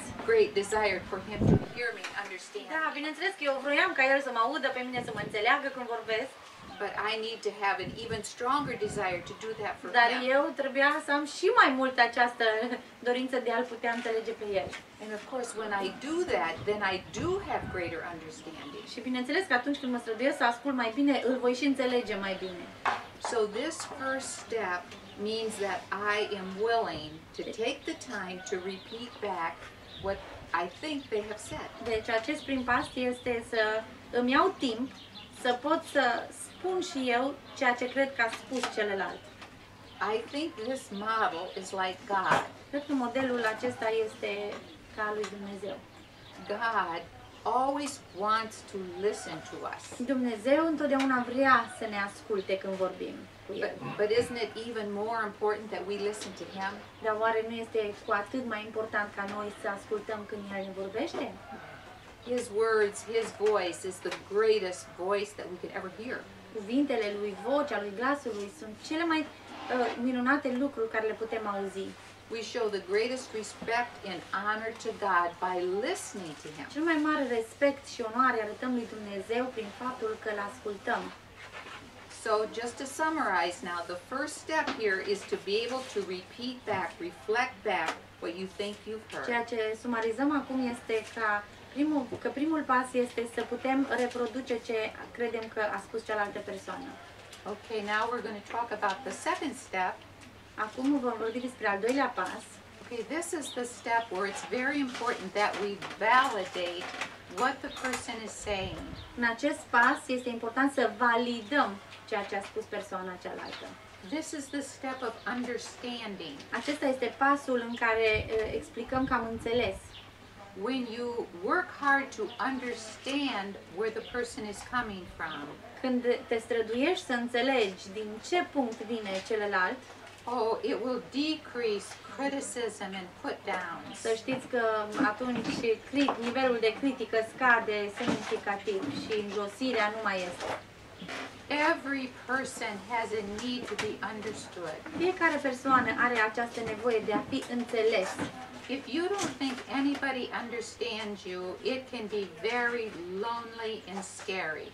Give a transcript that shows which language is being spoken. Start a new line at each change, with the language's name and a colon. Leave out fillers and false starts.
English: Great desire for him to hear me, understand.
Romanian: Da, bineînțeles că eu vroiam ca el să mă audă pe mine, să mă înțeleagă când vorbesc.
English: But I need to have an even stronger desire to do that for him.
Romanian: Dar eu trebuia să am și mai mult această dorință de a-l putea înțelege pe el.
English: And of course when I do that, then I do have greater understanding.
Romanian: Și bineînțeles că atunci când mă străduiesc să ascult mai bine, îl voi și înțelege mai bine.
English: So this first step means that I am willing to take the time to repeat back what I think they have said.
Romanian: Deci acest prim pas este să îmi iau timp să pot să spun și eu ceea ce cred că a spus celălalt.
English: I think this model is like God.
Romanian: Cred că modelul acesta este ca lui Dumnezeu.
English: God always wants to listen to us.
Romanian: Dumnezeu întotdeauna vrea să ne asculte când vorbim.
English: But isn't it even more important that we listen to him?
Romanian: Dar oare nu este cu atât mai important ca noi să ascultăm când el ne vorbește?
English: His words, his voice is the greatest voice that we could ever hear.
Romanian: Cuvintele lui, vocea lui, glasul lui sunt cele mai minunate lucruri care le putem auzi.
English: We show the greatest respect and honor to God by listening to him.
Romanian: Cel mai mare respect și onoare arătăm lui Dumnezeu prin faptul că îl ascultăm.
English: So just to summarize now, the first step here is to be able to repeat back, reflect back what you think you've heard.
Romanian: Ceea ce sumarizăm acum este că primul pas este să putem reproduce ce credem că a spus cealaltă persoană.
English: Okay, now we're going to talk about the second step.
Romanian: Acum vom vorbi despre al doilea pas.
English: Okay, this is the step where it's very important that we validate what the person is saying.
Romanian: În acest pas este important să validăm ceea ce a spus persoana cealaltă.
English: This is the step of understanding.
Romanian: Acesta este pasul în care explicăm că am înțeles.
English: When you work hard to understand where the person is coming from.
Romanian: Când te străduiești să înțelegi din ce punct vine celălalt.
English: Oh, it will decrease criticism and put downs.
Romanian: Să știți că atunci nivelul de critică scade semnificativ și înjosirea nu mai este.
English: Every person has a need to be understood.
Romanian: Fiecare persoană are această nevoie de a fi înțeles.
English: If you don't think anybody understands you, it can be very lonely and scary.